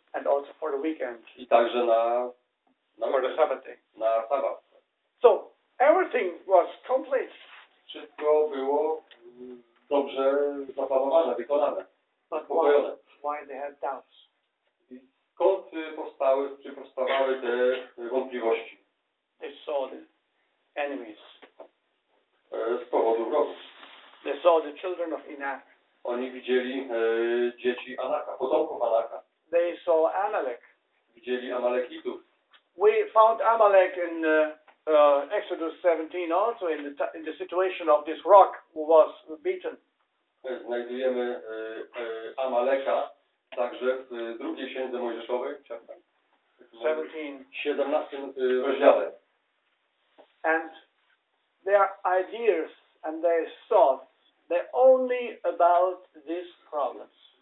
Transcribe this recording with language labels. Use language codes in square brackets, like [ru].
[en] And also for the weekend. [pl] I także na [en] Sabbath. [pl] Na Sabbat. [en] So everything was complete. [pl] Wszystko było dobrze zaplanowane, wykonane, spokojone. [en] Why they had doubts? [pl] Skąd powstały, czy powstawały te wątpliwości? [en] They saw the enemies. [pl] Z powodu wrogów. [en] They saw the children of Anak. [pl] Oni widzieli dzieci Anaka, potomków Anaka. [en] They saw Amalek. [pl] Widzieli Amalekitów. [en] We found Amalek in Exodus 17 also in the situation of this rock who was beaten. [pl] Znajdujemy Amaleka także w drugiej księdze Mojżeszowej, [en] chapter 17 [pl] rozdziale. [en] And their ideas and their thoughts, they're only about these problems.